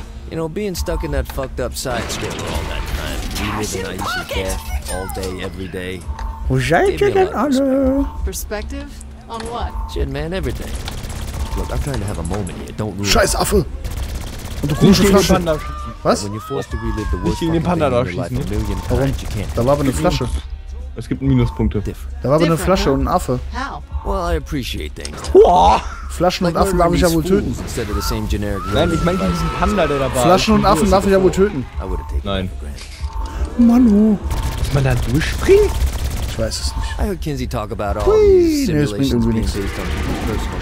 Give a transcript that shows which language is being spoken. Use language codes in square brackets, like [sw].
[en] You know, being stuck in that fucked up side scroll all that time, we live in Aisha Care all day, every day. [de] Wo seid ihr denn alle? [en] Perspective? On what? Shit, man, everything. Look, I'm trying to have a moment here. Don't ruin it. [de] Scheiß Affe! Und du komische Flasche. Was? Nicht gegen den Panda da schießen. Warum? Da war aber eine Flasche. Es gibt Minuspunkte. Da war aber eine Flasche und ein Affe. [en] How? Well, I appreciate things. [de] Flaschen und Affen darf ich ja wohl töten. Nein, ich meine diesen Panda, der dabei. Flaschen und Affen darf ich ja wohl töten. Nein. Manu. Dass man da durchspringt? Ich weiß es nicht. [en] I heard Kinsey talk about all these simulations being based on your personal...